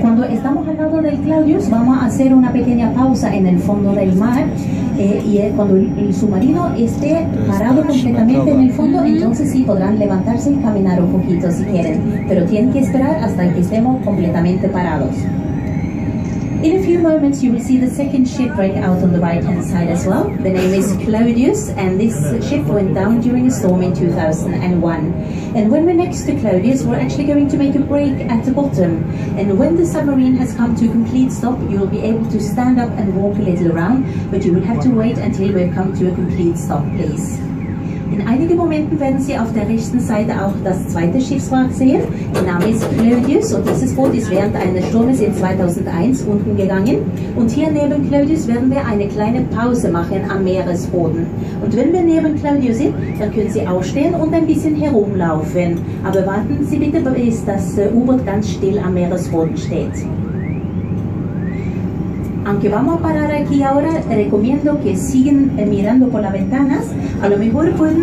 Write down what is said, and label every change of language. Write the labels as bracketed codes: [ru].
[es] Cuando estamos al lado del Claudius, vamos a hacer una pequeña pausa en el fondo del mar. Y cuando el submarino esté parado completamente en el fondo, entonces sí podrán levantarse y caminar un poquito si quieren. Pero tienen que esperar hasta que estemos completamente parados. [en] In a few moments, you will see the second ship break out on the right-hand side as well. The name is Claudius, and this ship went down during a storm in 2001. And when we're next to Claudius, we're actually going to make a break at the bottom. And when the submarine has come to a complete stop, you'll be able to stand up and walk a little around, but you will have to wait until we've come to a complete stop, please. [de] In einigen Momenten werden Sie auf der rechten Seite auch das zweite Schiffswrack sehen. Der Name ist Claudius und dieses Boot ist während eines Sturmes in 2001 unten gegangen. Und hier neben Claudius werden wir eine kleine Pause machen am Meeresboden. Und wenn wir neben Claudius sind, dann können Sie aufstehen und ein bisschen herumlaufen. Aber warten Sie bitte, bis das U-Boot ganz still am Meeresboden steht. [es] Aunque vamos a parar aquí ahora, te recomiendo que sigan mirando por las ventanas. A lo mejor pueden...